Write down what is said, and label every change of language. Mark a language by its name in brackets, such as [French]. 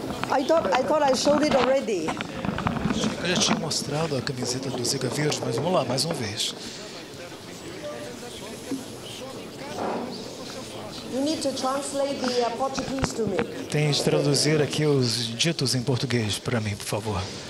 [English] I thought I showed it already. [Portuguese] Eu já tinha mostrado a camiseta do Zika vírus, mas vamos lá, mais uma vez. [English] You need to translate the Portuguese to me. [Portuguese] Tem de traduzir aqui os ditos em português para mim, por favor.